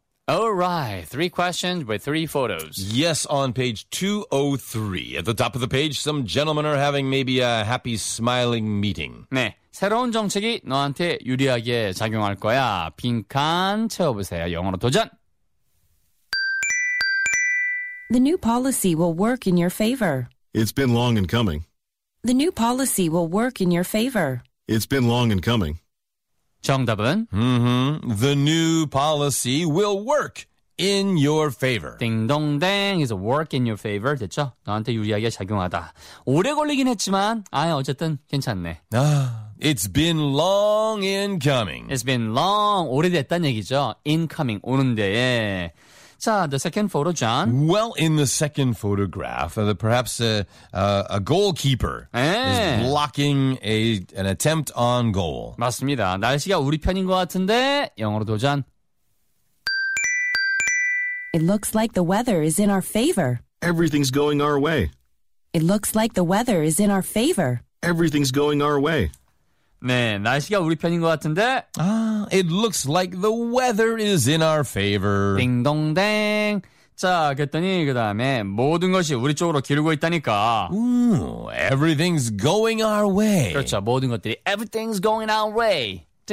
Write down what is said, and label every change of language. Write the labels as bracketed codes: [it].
[en] Alright, three questions with three photos. Yes, on page 203. At the top of the page, some gentlemen are having maybe a happy smiling meeting. [ko] 네, 새로운 정책이 너한테 유리하게 작용할 거야. 빈칸 채워보세요. 영어로 도전! [en] The new policy will work in your favor. It's been long in coming. The new policy will work in your favor. It's been long in coming. [ko] 정답은 [en] The new policy will work in your favor. [ko] 딩동댕 [en] is a work in your favor. [ko] 됐죠? 너한테 유리하게 작용하다. 오래 걸리긴 했지만 아예 어쨌든 괜찮네. [en] It's been long in coming. It's been long. [ko] 오래됐단 얘기죠. [en] In coming. [ko] 오는데에. [en] 자, the second photo, John. Well, in the second photograph, perhaps a goalkeeper [ko] 네. [en] is blocking an attempt on goal. [ko] 맞습니다. 날씨가 우리 편인 것 같은데, 영어로 도전. [en] It looks like the weather is in our favor. Everything's going our way. It looks like the weather is in our favor. Everything's going our way. [ko] 네, 날씨가 우리 편인 것 같은데. [en] It looks like the weather is in our favor. [ko] 딩동댕. 자, 그랬더니 그 다음에 모든 것이 우리 쪽으로 기르고 있다니까. [en] Everything's going our way. [ko] 그렇죠, 모든 것들이 [en] everything's going our way.